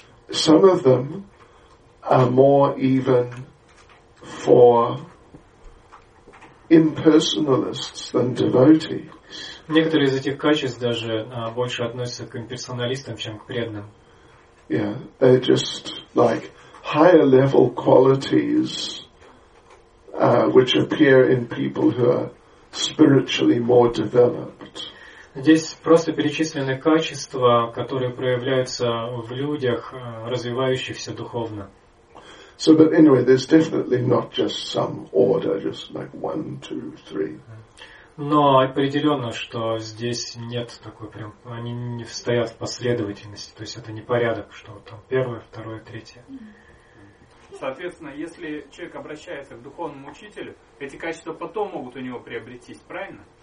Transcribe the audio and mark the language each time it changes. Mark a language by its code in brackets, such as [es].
[en] Some of them are more even for impersonalists than devotees. [ru] Некоторые из этих качеств даже больше относятся к имперсоналистам, чем к преданным. [en] Yeah, they're just like higher level qualities which appear in people who are spiritually more developed. [ru] Здесь просто перечислены качества, которые проявляются в людях, развивающихся духовно. [en] So, but anyway, there's definitely not just some order, just like 1, 2, 3. [ru] Но определенно, что здесь нет такой прям, они не стоят в последовательности, то есть это не порядок, что там первое, второе, третье. Соответственно, если человек обращается к духовному учителю, эти качества потом могут у него приобретись, правильно?